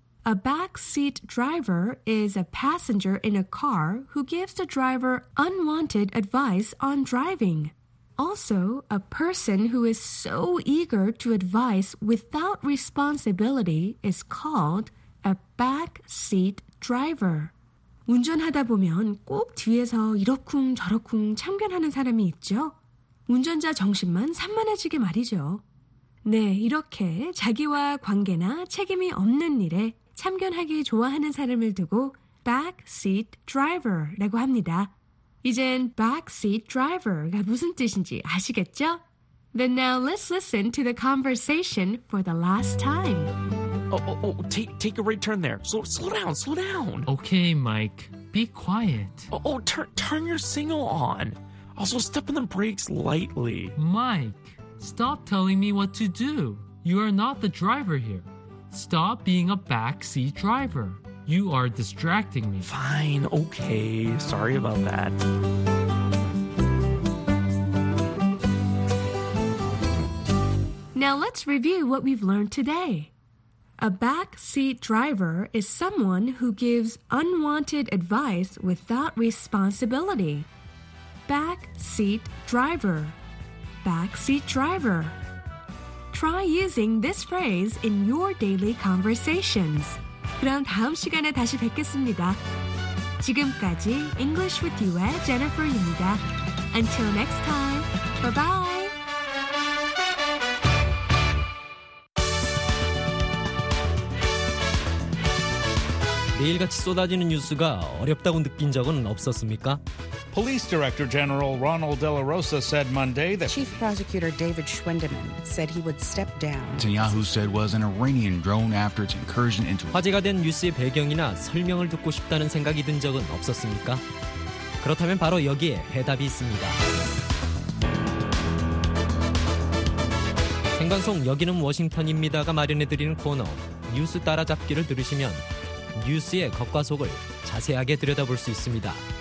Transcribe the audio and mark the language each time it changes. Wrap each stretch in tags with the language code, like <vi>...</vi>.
<en>A backseat driver is a passenger in a car who gives the driver unwanted advice on driving. Also, a person who is so eager to advise without responsibility is called a backseat driver.</en> <ko>운전하다 보면 꼭 뒤에서 이러쿵 저러쿵 참견하는 사람이 있죠. 운전자 정신만 산만해지게 말이죠. 네, 이렇게 자기와 관계나 책임이 없는 일에 참견하기 좋아하는 사람을 두고 backseat driver라고 합니다. 이젠 backseat driver가 무슨 뜻인지 아시겠죠?</ko> <en>Then now let's listen to the conversation for the last time. Take a right turn there. Slow down. Okay, Mike. Be quiet. Turn your signal on. Also, step on the brakes lightly. Mike, stop telling me what to do. You are not the driver here. Stop being a backseat driver. You are distracting me. Fine, okay. Sorry about that. Now let's review what we've learned today. A backseat driver is someone who gives unwanted advice without responsibility. Backseat driver. Backseat driver. Try using this phrase in your daily conversations.</en> <ko>그럼 다음 시간에 다시 뵙겠습니다. 지금까지 English with You의 Jennifer입니다.</ko> <en>Until next time, bye-bye! Police Director General Ronald De La Rosa said Monday that Chief Prosecutor David Schwendeman said he would step down. Netanyahu said was an Iranian drone after its incursion into</en> <ko>화제가 된 뉴스의 배경이나 설명을 듣고 싶다는 생각이 든 적은 없었습니까? 그렇다면 바로 여기에 해답이 있습니다. 생방송 여기는 워싱턴입니다가 마련해드리는 코너 뉴스 따라잡기를 들으시면 뉴스의 겉과 속을 자세하게 들여다볼 수 있습니다.</ko>